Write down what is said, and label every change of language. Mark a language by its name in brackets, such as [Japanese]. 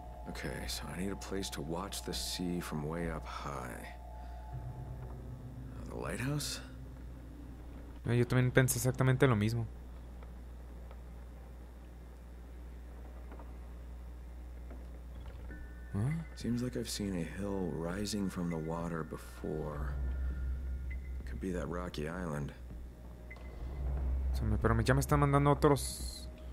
[English] Okay, so I need a place to watch the sea from way up high. The lighthouse? [Spanish] Yo también pensé exactamente lo mismo. [English] Seems like I've seen a hill rising from the water before. Could be that rocky island. [Spanish] Pero ya me están mandando otros.